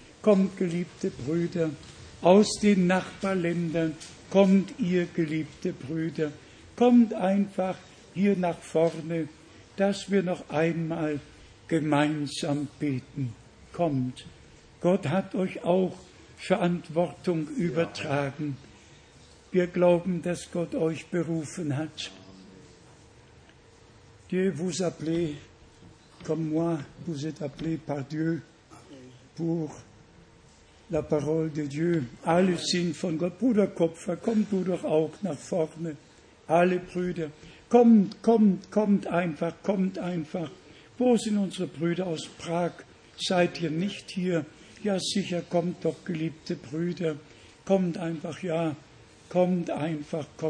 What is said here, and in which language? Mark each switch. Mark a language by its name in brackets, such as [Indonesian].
[German] Kommt, geliebte Brüder, aus den Nachbarländern, kommt ihr, geliebte Brüder, kommt einfach hier nach vorne, dass wir noch einmal gemeinsam beten. Kommt, Gott hat euch auch Verantwortung übertragen. Wir glauben, dass Gott euch berufen hat. [French] Dieu vous a appelé, comme moi, vous êtes appelé par Dieu, pour la parole de Dieu. [German] Alle sind von Gott. Bruder Kupfer, komm du doch auch nach vorne. Alle Brüder, kommt einfach. Wo sind unsere Brüder aus Prag? Seid ihr nicht hier? Ja, sicher, kommt doch, geliebte Brüder. Kommt einfach, ja, kommt einfach.